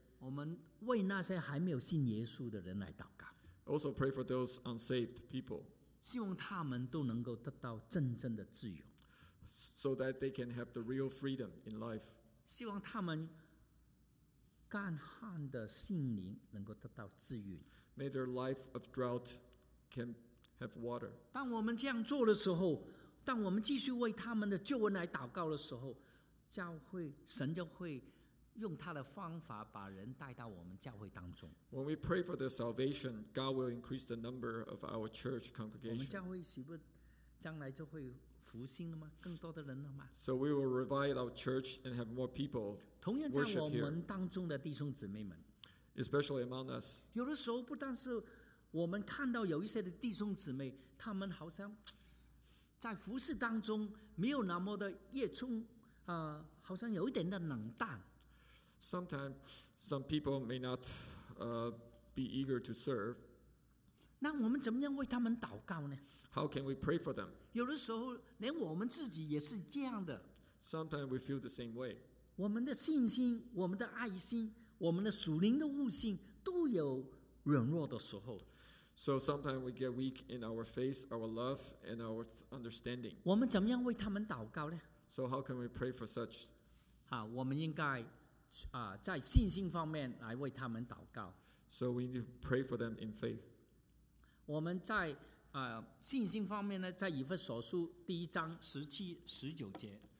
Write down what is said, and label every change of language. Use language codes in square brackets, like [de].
[zh] 我们为那些还没有信耶稣的人来祷告。 [en] Also pray for those unsaved people. [zh] 希望他们都能够得到真正的自由。 [en] So that they can have the real freedom in life. [zh] 希望他们干旱的心灵能够得到治愈。 [en] May their life of drought can have water. [zh] 当我们这样做的时候，当我们继续为他们的救恩来祷告的时候，教会神就会用他的方法把人带到我们教会当中。 [en] When we pray for their salvation, God will increase the number of our church congregation. [zh] 我们教会岂不将来就会复兴了吗？更多的人了吗？ [en] So we will revive our church and have more people. [zh] 同样在我们当中的弟兄姊妹们， [en] especially among us. [zh] 有的时候不但是我们看到有一些的弟兄姊妹，他们好像在服事当中没有那么的热衷，好像有一点的冷淡。 [en] Sometimes some people may not be eager to serve. [zh] 那我们怎么样为他们祷告呢？ [en] How can we pray for them? [zh] 有的时候连我们自己也是这样的。 [en] Sometimes we feel the same way. [zh] 我们的信心、我们的爱心、我们的属灵的悟性都有软弱的时候。 [en] So sometimes we get weak in our faith, our love, and our understanding. [zh] 我们怎么样为他们祷告呢？ [en] So how can we pray for such? [zh] 我们应该在信心方面来为他们祷告。 [en] So we need to pray for them in faith. [zh] 我们在信心方面呢，在以弗所书第一章十七、十九节。